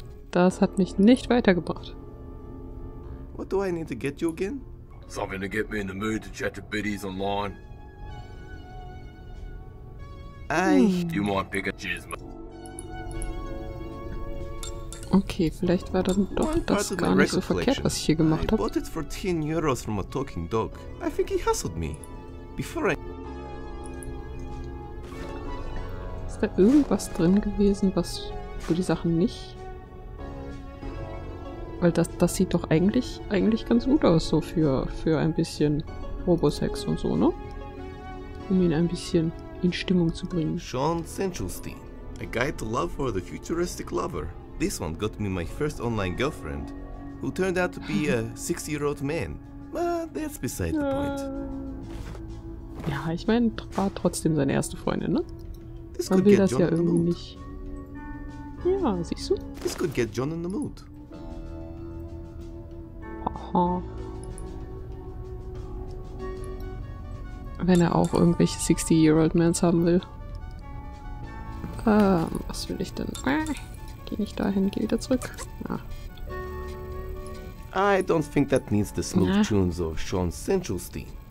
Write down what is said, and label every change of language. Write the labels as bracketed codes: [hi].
[de] Das hat mich nicht weitergebracht. [en] What do I need to get you again? Something to get me in the mood to chat to biddies online. Do you mind picking cheese, mate? [de] Okay, vielleicht war dann doch das gar nicht so verkehrt, was ich hier gemacht habe. [en] I bought it for 10 euros from a talking dog. I think he hustled me. Before I... [de] Ist da irgendwas drin gewesen, was für die Sachen nicht... Weil das sieht doch eigentlich ganz gut aus, so für ein bisschen Robosex und so, ne? Um ihn ein bisschen in Stimmung zu bringen. [en] Sean Sinchelstein, a guide to love for the futuristic lover. This one got me my first online girlfriend, who turned out to be a 60-year-old man. But that's beside the point. [de] Ja, ich meine, war trotzdem seine erste Freundin, ne? This Man could will get das John ja irgendwie mood. Nicht. Ja, siehst du? [en] This could get John in the mood. Aha. [de] Wenn er auch irgendwelche [en] 60-year-old mans [de] haben will. Was will ich denn? Nicht dahin, geh wieder zurück. Ja. [en] I don't think that needs the smooth tunes of Sean Sinchelstein.